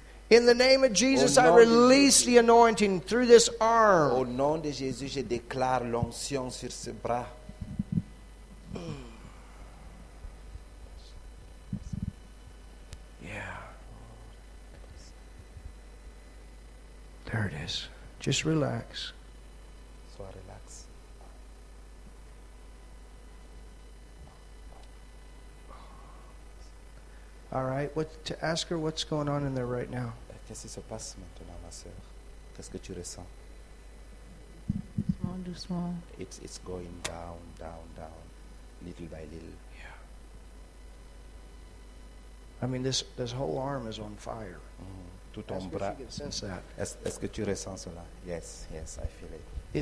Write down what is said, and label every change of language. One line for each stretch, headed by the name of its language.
English: In the name of Jesus, I release the anointing through this arm.
French: Au nom de Jésus, je déclare l'onction sur ce bras.
English: Yeah. There it is. Just relax.
French: Sois relax.
English: All right. What to ask her? What's going on in there right now?
French: Qu'est-ce qui se passe maintenant, ma sœur? Qu'est-ce que tu ressens? Doucement, doucement.
English: It's going down, down, down, little by little. Yeah. I mean, this whole arm is on fire.
French: Mm-hmm. Tout ton bras. Est-ce que tu ressens cela?
English: Yes, yes, I feel it. Yeah.